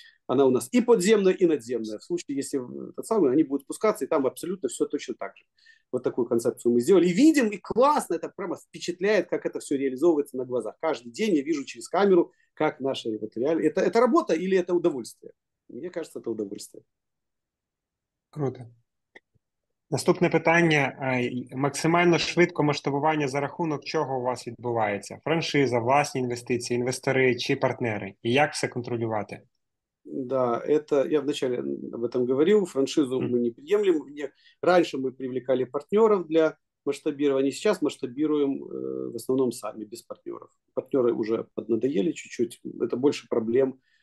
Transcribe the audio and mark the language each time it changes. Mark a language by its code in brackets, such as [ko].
[ru] Она у нас и подземная, и надземная. В случае, если тот самый, они будут спускаться, и там абсолютно все точно так же. Вот такую концепцию мы сделали. И видим, и классно, это прямо впечатляет, как это все реализовывается на глазах. Каждый день я вижу через камеру, как наша вот реальность. Это работа или это удовольствие? Мне кажется, это удовольствие. [uk] Круто. Наступне питання. Максимально швидко масштабування за рахунок чого у вас відбувається? Франшиза, власні інвестиції, інвестори чи партнери? І як все контролювати? [ru] Да, это я вначале об этом говорил. Франшизу мы не приемлем. Раньше мы привлекали партнеров для масштабирования. Сейчас масштабируем в основном сами, без партнеров. Партнеры уже поднадоели чуть-чуть. Это больше проблем.